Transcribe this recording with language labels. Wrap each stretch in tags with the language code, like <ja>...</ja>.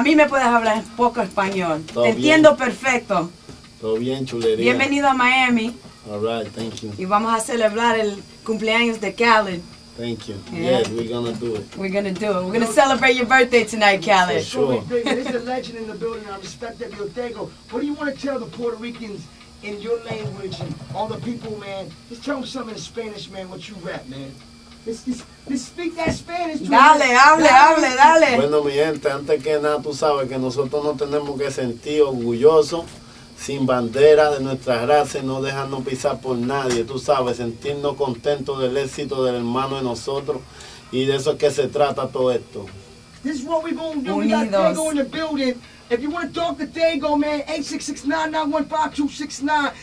<es>A mí me puedes hablar un poco español. Te entiendo perfecto. Todo bien, chulería. Bienvenido a Miami.</es> <en>All right, thank you.</en> <es>Y vamos a celebrar el cumpleaños de Khaled.</es> <en>Thank you. Yeah. Yes, we're gonna do it. We're gonna do it. We're gonna celebrate your birthday tonight, Khaled. For sure. There's a legend in the building. I respect that, Diego. What do you want to tell the Puerto Ricans in your language and all the people, man? Just tell them something in Spanish, man, what you rap, man. Just speak that Spanish to</en> <es>dale,</es> <en>me.</en> <es>Dale, hable, hable, dale. Bueno, mi gente, antes que nada, tú sabes que nosotros no tenemos que sentir orgulloso. Sin bandera de nuestra raza, no dejarnos pisar por nadie, tú sabes, sentirnos contentos del éxito del hermano de nosotros, y de eso es que se trata todo esto.</es> <en>This is what we're going to do.</en> <es>Unidos.</es> <en>We got Tego in the building. If you want to talk to Tego, man, 866-991-5269.</en>